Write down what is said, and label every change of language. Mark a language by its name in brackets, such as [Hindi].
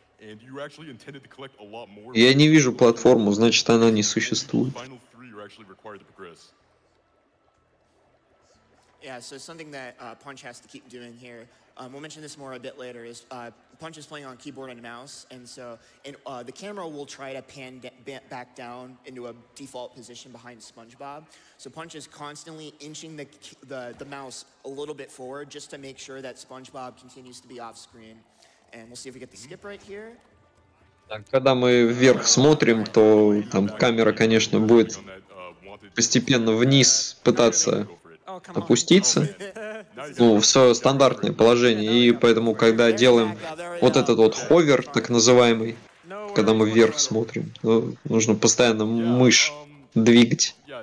[English] And you actually intended to collect a lot more. [Russian] Я не вижу платформу, значит она не существует. [English] Final three are actually required to progress. Yeah, so something that Punch has to keep doing here, we'll mention this more a bit later, is Punch is playing on keyboard and mouse, and so and, the camera will try to pan back down into a default position behind SpongeBob. So Punch is constantly inching the mouse a little bit forward just to make sure that SpongeBob continues to be off screen. And we'll see if we get the skip right here. [Russian] Так, когда мы вверх смотрим, то там камера, конечно, будет постепенно вниз пытаться опуститься. Ну, в свое стандартное положение. И поэтому, когда делаем вот этот вот ховер, так называемый, когда мы вверх смотрим, то нужно постоянно мышь двигать.